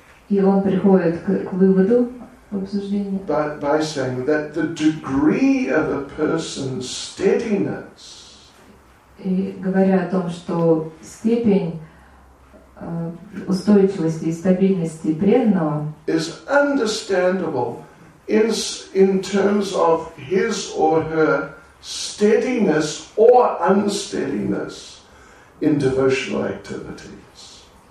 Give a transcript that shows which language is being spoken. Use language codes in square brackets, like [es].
[ru] И он приходит к выводу обсуждения. [en] By saying that the degree of a person's steadiness. [ru] И говоря о том, что степень устойчивости и стабильности преданного [en] is understandable in terms of his or her steadiness or unsteadiness in devotional activities.